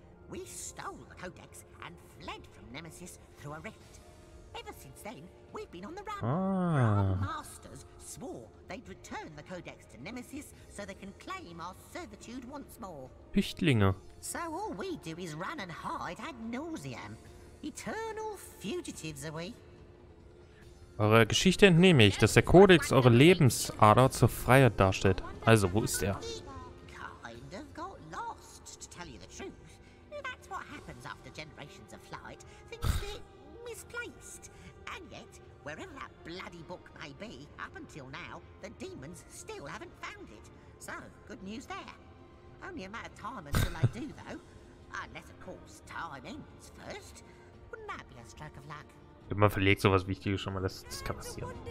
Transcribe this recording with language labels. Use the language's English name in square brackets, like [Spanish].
[English] We stole the Codex and fled from Nemesis through a rift. Ever since then, we've been on the run. Ah. Our masters swore they'd return the Codex to Nemesis so they can claim our servitude once more. [German] Pichtlinge. [English] So all we do is run and hide ad nauseam. Eternal fugitives are we. [German] Eure Geschichte entnehme ich, dass der Codex eure Lebensader zur Freiheit darstellt. Also, wo ist er? [English] Kind of got lost, to tell you the truth. That's what happens after generations of flight. Things get misplaced. And yet, wherever that bloody book may be, up until now, the demons still haven't found it. So, good news there. Only a matter of time until they do, though. Unless, of course, time ends first. Wouldn't that be a stroke of luck? [German] Man verlegt sowas Wichtiges schon mal, das kann passieren.